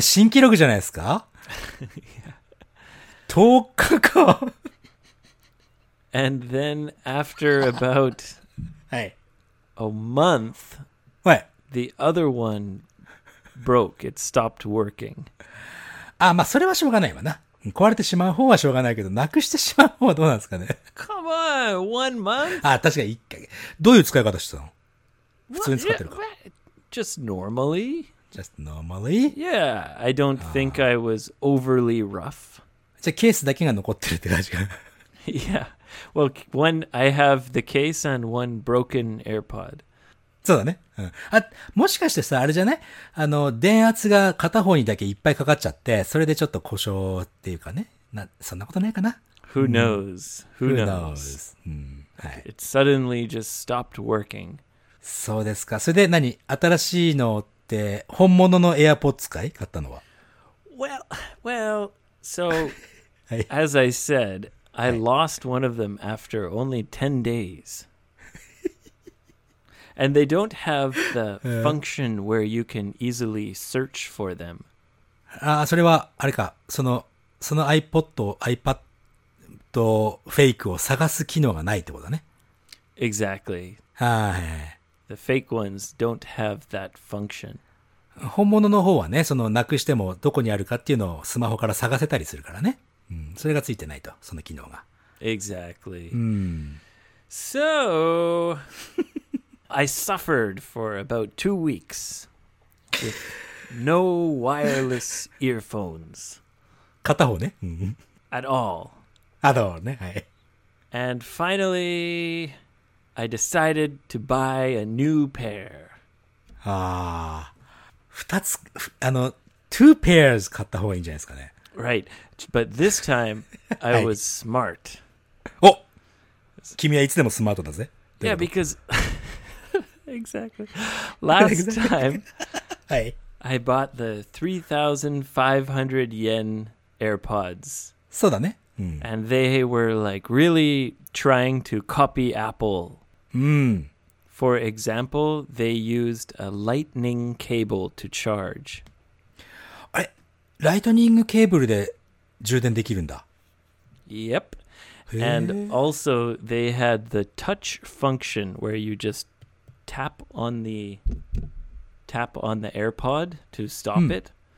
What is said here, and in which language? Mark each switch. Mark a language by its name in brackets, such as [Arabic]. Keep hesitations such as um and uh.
[Japanese] 新記録じゃないですか、yeah. 10日か。 [English] And then after about hey a month, what the other one broke. It stopped working. [Japanese] Ah, まあそれはしょうがないわな。壊れてしまう方はしょうがないけど、なくしてしまう方はどうなんですかね [English] Come on, one month? [Japanese] あ、確かに1回。どういう使い方してたの普通に使ってるか。 [English] Just normally? Just normally? Yeah, I don't think I was overly rough. [Japanese] じゃあケースだけが残ってるって感じかな。 [English] Yeah. well, one I have the case and one broken AirPod. [Japanese] そうだね。うん、あもしかしてさ、あれじゃねあの、電圧が片方にだけいっぱいかかっちゃって、それでちょっと故障っていうかね。なそんなことないかな [English] ?Who knows?Who knows?It suddenly just stopped working. [Japanese] そうですか。それで何新しいのって、本物の AirPods 買ったのは [English] ?Well, well, so,、はい、as I said, I lost one of them after only 10 days. and they don't have the function where you can easily search for them. [Japanese] ああ、それは、あれか、その、その iPod、 iPad フェイクを探す機能がないってことだね。 [English] Exactly. はい。 The fake ones don't have that function. [Japanese] 本物の方はね、その、なくしてもどこにあるかっていうのをスマホから探せたりするからね。それがついてないと、その機能が。 [English] Exactly.、Mm. So, I suffered for about two weeks with no wireless earphones. [Japanese] 片方ね。 [English] at all. At all, ね。はい。 And finally, I decided to buy a new pair. [Japanese] Ah, あの、 [English] two pairs [Japanese] 買った方がいいんじゃないですかね。 [English] Right. But this time, I was smart. Oh! smart, Kimi Yeah, because. exactly. Last time, I bought the 3,500 yen AirPods. So だね。 And they were like really trying to copy Apple. For example, they used a lightning cable to charge. [Japanese] ライトニングケーブルで充電できるんだ。 [English] Yep. And also, they had the touch function where you just tap on the tap on the AirPod to stop it.